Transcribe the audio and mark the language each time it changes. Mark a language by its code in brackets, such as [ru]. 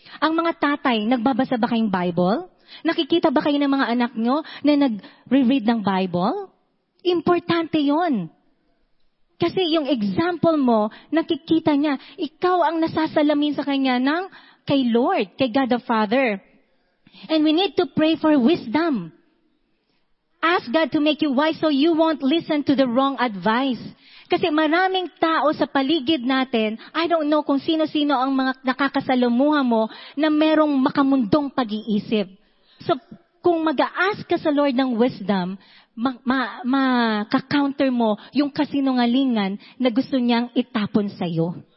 [tl] Ang mga tatay, nagbabasa ba kayong Bible? Nakikita ba kayo ng mga anak nyo na nag-reread ng Bible? Importante yon. Kasi yung example mo, nakikita niya, ikaw ang nasasalamin sa kanya ng kay Lord, kay God the Father. [en] And we need to pray for wisdom. Ask God to make you wise so you won't listen to the wrong advice. [tl] Kasi maraming tao sa paligid natin, [en] I don't know [tl] kung sino-sino ang mga nakakasalamuha mo na merong makamundong pag-iisip. So, kung mag-a-ask ka sa Lord ng wisdom, makaka-counter mo yung kasinungalingan na gusto niyang itapon sa'yo.